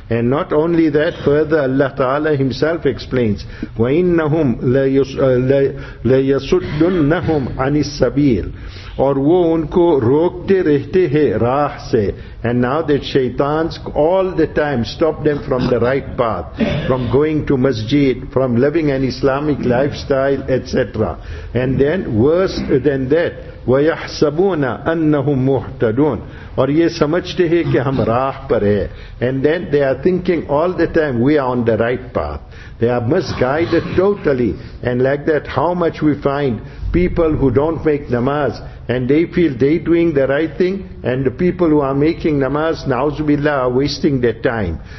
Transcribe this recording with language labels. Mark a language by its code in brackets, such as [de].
[en] And not only that, further Allah Ta'ala himself explains, [ar] وَإِنَّهُمْ لَيَسُدُّنَّهُمْ عَنِ السَّبِيلِ, [ur] اور وہ ان کو روکتے رہتے ہیں راہ سے. [en] And now that shaitans all the time stop them from the right path, from going to masjid, from living an Islamic lifestyle, etc. And then worse than that, [ar] وَيَحْسَبُونَ أَنَّهُمْ مُحْتَدُونَ, [ur] اور یہ سمجھتے ہیں کہ ہم راہ پر ہیں. [en] And then they are thinking all the time we are on the right path. They are misguided totally. And like that, how much we find people who don't make namaz, and they feel they doing the right thing, and the people who are making namaz, na'uzubillah, are wasting their time.